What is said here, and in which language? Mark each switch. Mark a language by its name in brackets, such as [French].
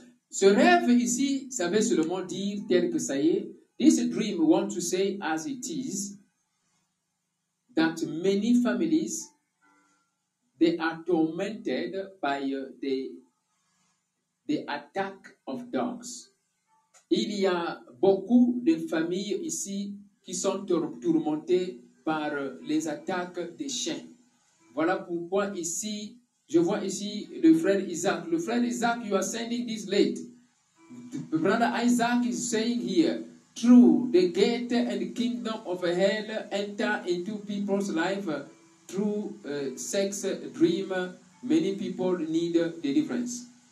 [French] Ce rêve ici, ça veut seulement dire tel que ça y est. [English] This dream wants to say as it is that many families, they are tormented by the attack of dogs. [French] Il y a beaucoup de familles ici qui sont tourmentées par les attaques des chiens. Voilà pourquoi ici, je vois ici le frère Isaac. Le frère Isaac, [English] you are sending this late. Brother Isaac is saying here, through the gate and the kingdom of hell enter into people's life through sex dream, many people need deliverance.